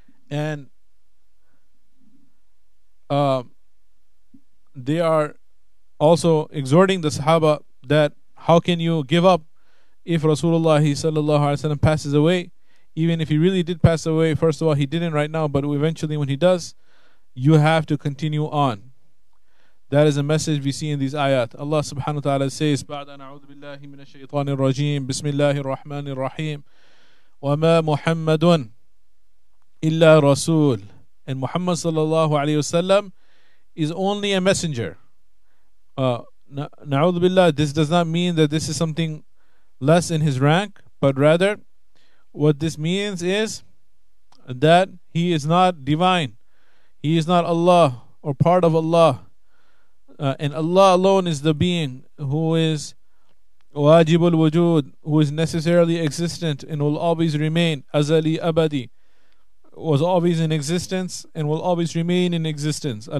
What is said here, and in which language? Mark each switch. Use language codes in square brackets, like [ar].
[en] And they are also exhorting the Sahaba that how can you give up if Rasulullah sallallahu alaihi wasallam passes away? Even if he really did pass away, first of all, he didn't right now, but eventually when he does, you have to continue on. That is a message we see in these ayat. Allah subhanahu wa ta'ala says, [ar] بعد أن أعوذ بالله من الشيطان الرجيم بسم الله الرحمن الرحيم وما محمد إلا رسول. [en] And Muhammad sallallahu alayhi wa sallam is only a messenger. [ar] نعوذ بالله, [en] this does not mean that this is something less in his rank, but rather what this means is that he is not divine, he is not Allah or part of Allah, and Allah alone is the being who is wajibul wujud, who is necessarily existent and will always remain, azali abadi, was always in existence and will always remain in existence.